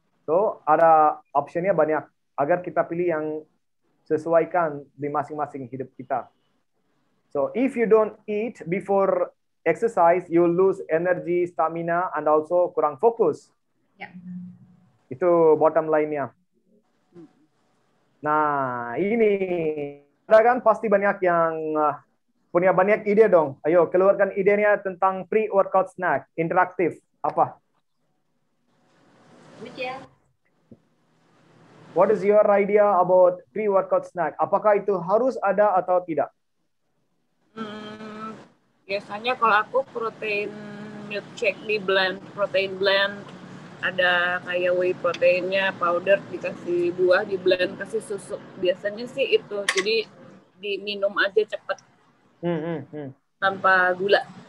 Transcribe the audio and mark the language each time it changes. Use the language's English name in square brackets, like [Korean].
[Indonesian] So, ada optionnya banyak agar kita pilih yang sesuaikan di masing-masing hidup kita. [English] So, if you don't eat before exercise, you lose energy, stamina, and also [Indonesian] kurang fokus. [English] Yeah. [Indonesian] Itu bottom line-nya. Nah, ini ada kan pasti banyak yang punya banyak ide dong. Ayo keluarkan idenya tentang pre-workout snack interaktif. Apa? Michelle. [English] What is your idea about pre-workout snack? [Indonesian] Apakah itu harus ada atau tidak? Biasanya kalau aku protein milkshake di blend, protein blend. Ada kayak whey proteinnya, powder dikasih buah, di blend kasih susu. Biasanya sih itu, jadi diminum aja cepet, tanpa gula.